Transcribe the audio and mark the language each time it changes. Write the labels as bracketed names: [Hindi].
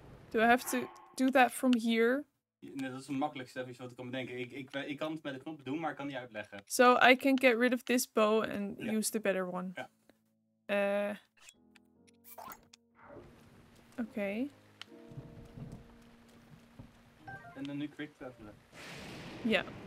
[English] Do I have to do that from here? [Dutch] Nee, dat is het makkelijkste even wat ik kan bedenken. Ik kan het met de knop doen, maar ik kan niet uitleggen. [English] So I can get rid of this bow and use the better one. [Dutch] Ja. Oké. En dan nu quick travelen. Ja.